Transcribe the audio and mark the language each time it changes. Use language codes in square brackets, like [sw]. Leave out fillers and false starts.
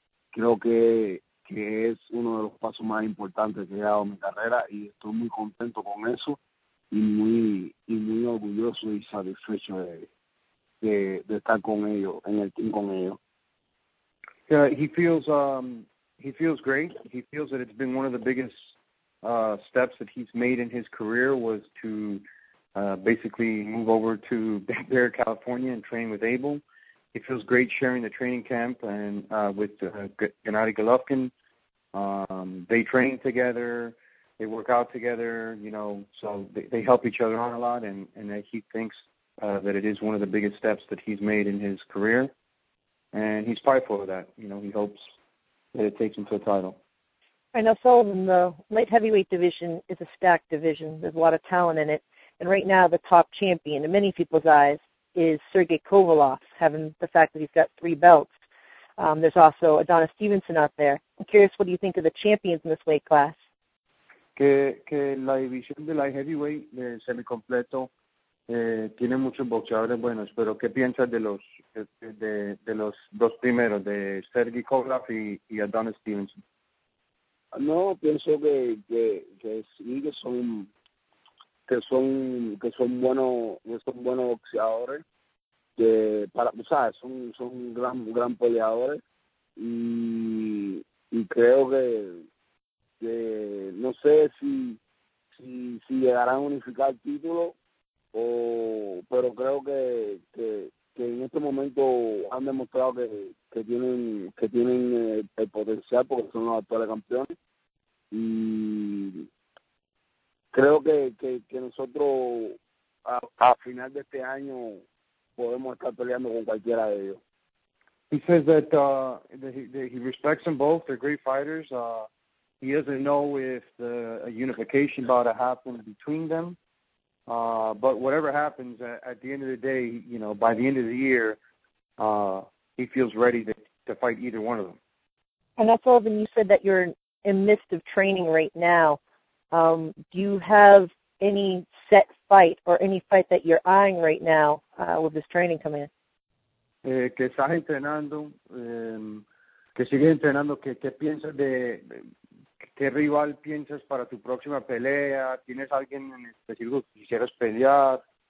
[es] Creo que es uno de los pasos más importantes que he dado en mi carrera y estoy muy contento con eso y muy orgulloso y satisfecho de estar con ellos, en el team con ellos. [en] Yeah, he feels great. He feels that it's been one of the biggest steps that he's made in his career was to basically move over to Big Bear, California and train with Abel. it feels great sharing the training camp and with Gennady Golovkin. They train together, they work out together, you know, so they help each other out a lot, and that he thinks that it is one of the biggest steps that he's made in his career. And he's prideful of that. You know, he hopes that it takes him to a title. Right, now, Sullivan, the light heavyweight division is a stacked division. There's a lot of talent in it. And right now, the top champion in many people's eyes is Sergey Kovalev, having the fact that he's got three belts. There's also Adonis Stevenson out there. I'm curious, what do you think of the champions in this weight class? [es] Que la división de light heavyweight, semi-completo, tiene muchos boxeadores buenos, pero ¿qué piensas de los dos primeros, de Sergey Kovalev y Adonis Stevenson? No, pienso que sí, que son buenos boxeadores, que para, o sea, son gran peleadores, y creo que no sé si llegarán a unificar el título, pero creo que en este momento han demostrado que tienen el potencial, porque son los actuales campeones. Y creo que nosotros a final de este año podemos estar peleando con cualquiera de ellos. [en] He says that he respects them both. They're great fighters. He doesn't know if a unification about to happen between them. But whatever happens at the end of the day, you know, by the end of the year, he feels ready to fight either one of them. And that's all. Then you said that you're in midst of training right now. Do you have any set fight or any fight that you're eyeing right now with this training coming in? [es] Que estás entrenando, que sigues entrenando, que piensas de qué rival piensas para tu próxima pelea, tienes alguien en específico que quisieras pelear.